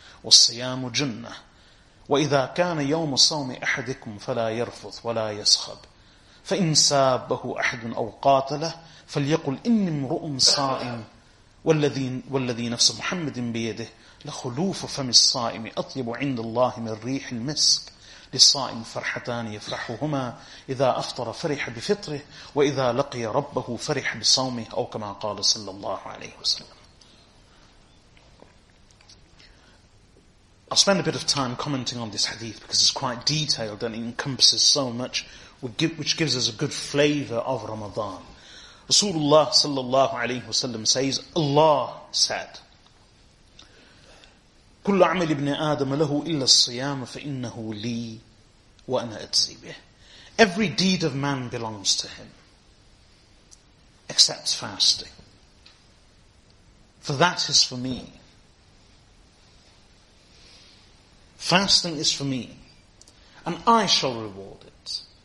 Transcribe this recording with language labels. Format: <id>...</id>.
<ar>وَالصِّيَامُ جُنَّةِ وَإِذَا كَانَ يَوْمُ صَوْمِ أَحَدِكُمْ فَلَا يَرْفُثْ وَلَا يَسْخَبْ فَإِنْ سَابَهُ أَحَدٌ أَوْ قَاتَلَهُ فَلْيَقُلْ إِنِّي امْرُؤٌ صَائِمٌ وَالَّذِي نَفْسُ مُحَمَّدٍ بِيَدِهِ لَخُلُوفُ فَمِ الصَّائِمِ أَطْيَبُ عِنْدَ اللَّهِ مِنْ رِيحِ الْمِسْكِ للصائم فرحتان يفرحهما إذا أفطر فرح بفطره وإذا لقي ربه فرح بصومه أو كما قال صلى الله عليه وسلم.</ar> <en>I'll spend a bit of time commenting on this hadith because it's quite detailed and it encompasses so much, which gives us a good flavour of Ramadan. Rasulullah sallallahu alayhi wa sallam says, Allah said,</en> <ar>كُلَّ عَمَلِ ابْنِ آدَمَ لَهُ إِلَّا الصِّيَامَ فَإِنَّهُ لِي وَأَنَا أَجْزِي بِهِ.</ar> <en>Every deed of man belongs to him, except fasting. For that is for me. Fasting is for me, and I shall reward it.</en>